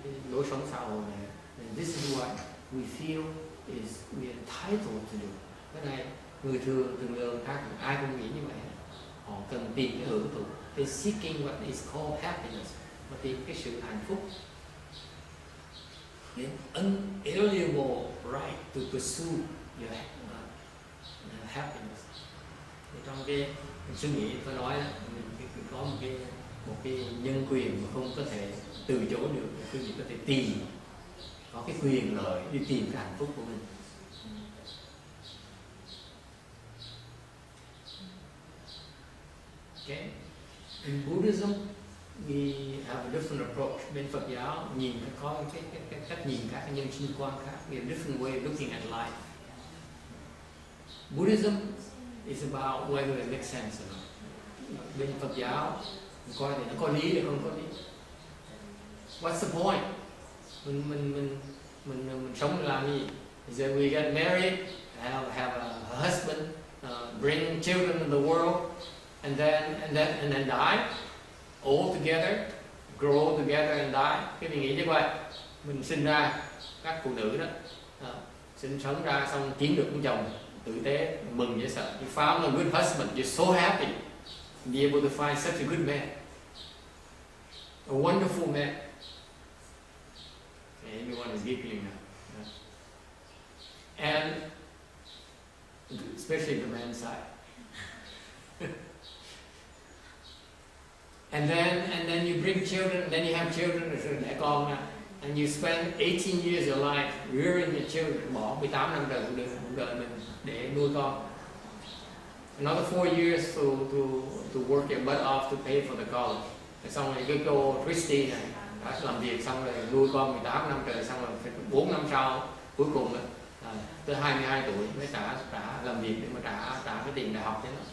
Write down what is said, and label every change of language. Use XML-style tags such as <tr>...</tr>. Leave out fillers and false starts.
<vi>Lối sống xã hội này,</vi> <en>this is what we feel is we are entitled to do.</en> <vi>Cái này người thường thường khác ai cũng nghĩ như vậy. Họ cần tìm cái hưởng thụ.</vi> <en>They seeking what is called happiness,</en> <vi>mà tìm cái sự hạnh phúc.</vi> <en>The unalienable right to pursue your happiness.</en> <vi>Thì trong cái suy nghĩ tôi nói là mình có một cái nhân quyền mà không có thể từ chối được, quý vị có thể tìm, có cái quyền lợi đi tìm cái hạnh phúc của mình.</vi> <en>Okay. In Buddhism, we have a different approach.</en> <vi>Bên Phật giáo, nhìn có cái cách nhìn khác, cái nhân sinh quan khác.</vi> <en>We have a different way of looking at life. Buddhism is about whether it makes sense or not.</en> <vi>Bên Phật giáo, coi thì nó có lý hay không có lý.</vi> <en>What's the point?</en> <vi>Mình sống làm gì?</vi> <en>Is that we get married, have a husband, bring children in the world, and then die, all together, grow together and die.</en> <vi>Cái mình nghĩ như vậy, mình sinh ra các phụ nữ đó, sinh sống ra xong kiếm được một chồng tử tế, mừng dễ sợ.</vi> <en>You found a good husband, you're so happy, be able to find such a good man, a wonderful man. Everyone is giggling now. Yeah. And especially the man's side. and then you bring children, then you have children, and you spend 18 years of your life rearing your children.</en> <vi>Bỏ 18 năm đời cuộc đời mình để nuôi con.</vi> <en>Another 4 years to work your butt off to pay for the college.</en> <vi>Xong rồi cái cô Christy này làm việc xong rồi nuôi con 18 năm trời, xong rồi 4 năm sau cuối cùng đó, tới 22 tuổi mới trả làm việc để mà trả cái tiền đại học chứ.</vi>